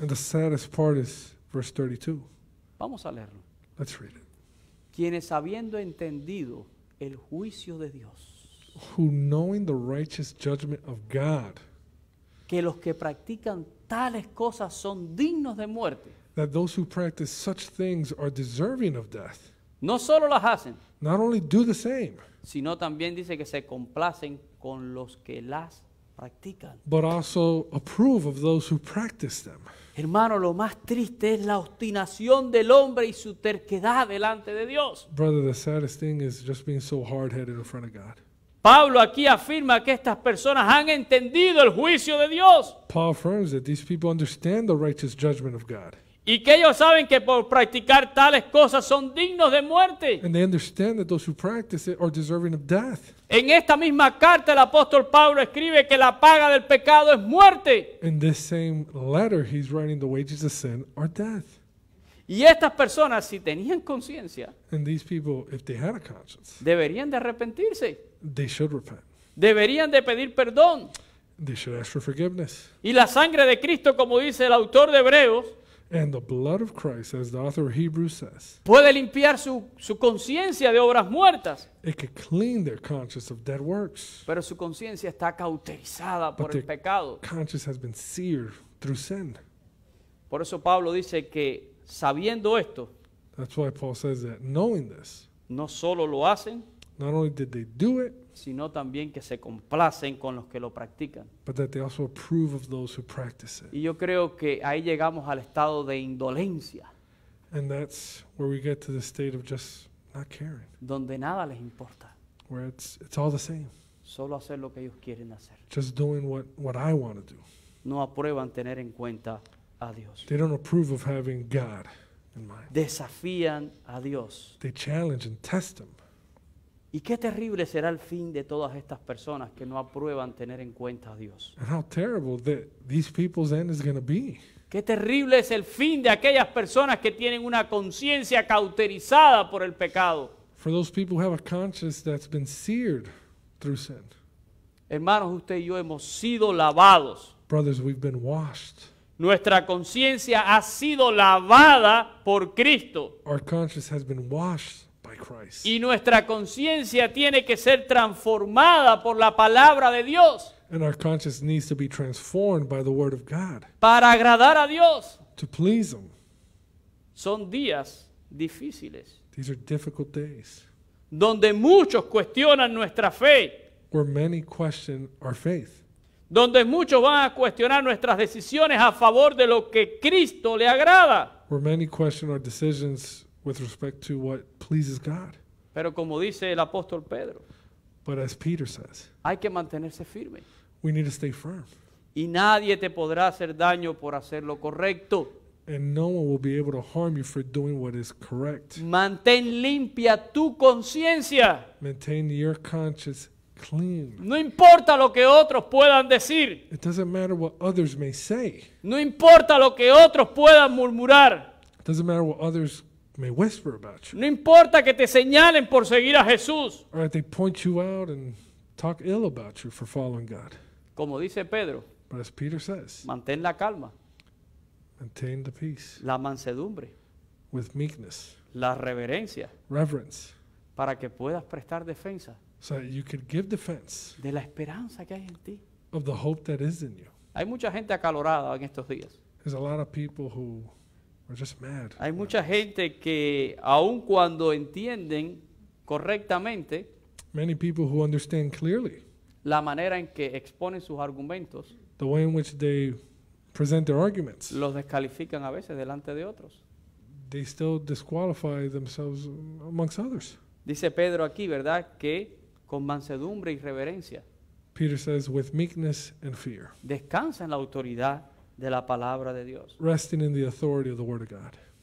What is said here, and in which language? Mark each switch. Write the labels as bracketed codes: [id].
[en] And the saddest part is verse 32. [es] Vamos a leerlo. [en] Let's read it. [es] Quienes habiendo entendido el juicio de Dios. [en] Who knowing the righteous judgment of God. [es] Que los que practican tales cosas son dignos de muerte. [en] That those who practice such things are deserving of death. [es] No solo las hacen. [en] Not only do the same. [es] Sino también dice que se complacen con los que las practican. [en] But also approve of those who practice them. [es] Hermano, lo más triste es la obstinación del hombre y su terquedad delante de Dios. [en] Brother, the saddest thing is just being so hard-headed in front of God. [es] Pablo aquí afirma que estas personas han entendido el juicio de Dios. [en] Paul affirms that these people understand the righteous judgment of God. [es] Y que ellos saben que por practicar tales cosas son dignos de muerte. [en] And they understand that those who practice it are deserving of death. [es] En esta misma carta el apóstol Pablo escribe que la paga del pecado es muerte. [en] In this same letter he's writing the wages of sin are death. [es] Y estas personas si tenían conciencia. [en] And these people if they had a conscience. [es] Deberían de arrepentirse. [en] They should repent. [es] Deberían de pedir perdón. [en] They should ask for forgiveness. [es] Y la sangre de Cristo como dice el autor de Hebreos. [en] And the blood of Christ, as the author of Hebrews says, [es] puede limpiar su conciencia de obras muertas. [en] It could clean their conscience of dead works. [es] Pero su conciencia está cauterizada por el pecado. [en] But their conscience has been seared through sin. [es] Por eso Pablo dice que sabiendo esto, [en] that's why Paul says that knowing this, [es] no solo lo hacen, [en] not only did they do it, [es] sino también que se complacen con los que lo practican. [en] But that they also approve of those who practice it. [es] Y yo creo que ahí llegamos al estado de indolencia. [en] And that's where we get to the state of just not caring. [es] Donde nada les importa. [en] Where it's all the same. [es] Solo hacer lo que ellos quieren hacer. [en] Just doing what I want to do. [es] No aprueban tener en cuenta a Dios. [en] They don't approve of having God in mind. [es] Desafían a Dios. [en] They challenge and test him. [es] Y qué terrible será el fin de todas estas personas que no aprueban tener en cuenta a Dios. [en] And how terrible that these people's end is going to be. [es] Qué terrible es el fin de aquellas personas que tienen una conciencia cauterizada por el pecado. [en] For those people who have a conscience that's been seared through sin. [es] Hermanos, usted y yo hemos sido lavados. [en] Brothers, we've been washed. [es] Nuestra conciencia ha sido lavada por Cristo. [en] Our conscience has been washed by Christ. [es] Y nuestra conciencia tiene que ser transformada por la palabra de Dios. [en] And our conscience needs to be transformed by the word of God. [es] Para agradar a Dios. [en] To please him. [es] Son días difíciles. [en] These are difficult days. [es] Donde muchos cuestionan nuestra fe. [en] Where many question our faith. [es] Donde muchos van a cuestionar nuestras decisiones a favor de lo que Cristo le agrada. [en] Where many question our decisions with respect to what pleases God. [es] Pero como dice el apóstol Pedro. [en] But as Peter says. [es] Hay que mantenerse firme. [en] We need to stay firm. [es] Y nadie te podrá hacer daño por hacer lo correcto. [en] And no one will be able to harm you for doing what is correct. [es] Mantén limpia tu conciencia. [en] Maintain your conscience clean. [es] No importa lo que otros puedan decir. [en] It doesn't matter what others may say. [es] No importa lo que otros puedan murmurar. [en] It doesn't matter what others may whisper about you. [es] No importa que te señalen por seguir a Jesús. [en] Or that they point you out and talk ill about you for following God. [es] Como dice Pedro. [en] But as Peter says. [es] Mantén la calma. [en] Maintain the peace. [es] La mansedumbre. [en] With meekness. [es] La reverencia. [en] Reverence. [es] Para que puedas prestar defensa. [en] So that you could give defense. [es] De la esperanza que hay en ti. [en] Of the hope that is in you. [es] Hay mucha gente acalorada en estos días. [en] There's a lot of people who are just mad. [es] Hay mucha gente que aun cuando entienden correctamente. [en] Many people who understand clearly. [es] La manera en que exponen sus argumentos. [en] The way in which they present their arguments. [es] Los descalifican a veces delante de otros. [en] They still disqualify themselves amongst others. [es] Dice Pedro aquí, ¿verdad? Que con mansedumbre y reverencia. [en] Peter says, with meekness and fear. [es] Descansa en la autoridad de la palabra de Dios. [en] Resting in the authority of the word of God.